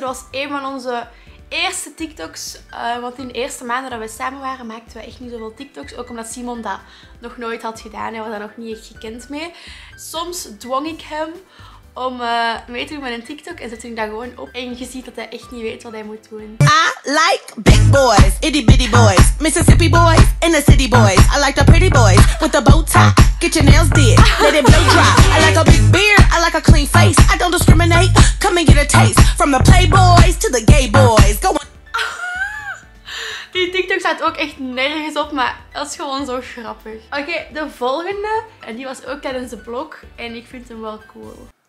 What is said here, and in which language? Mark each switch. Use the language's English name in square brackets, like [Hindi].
[Dutch] Dat was een van onze eerste TikToks. Want in de eerste maanden dat we samen waren, maakten we echt niet zoveel TikToks. Ook omdat Simon dat nog nooit had gedaan. Hij was daar nog niet echt gekend mee. Soms dwong ik hem om mee te doen met een TikTok. En zette hij dat gewoon op. En je ziet dat hij echt niet weet wat hij moet doen. [English] I like big boys, itty bitty boys, Mississippi boys, inner city boys. I like the pretty boys with the bow tie. Get your nails did, let it blow dry. I like a big beard, I like a clean face. I don't discriminate, come and get a taste. From the playboys to the gay boys. Go on. [Dutch] Die TikTok staat ook echt nergens op, maar dat is gewoon zo grappig. Oké, de volgende. En die was ook tijdens de blog. En ik vind hem wel cool.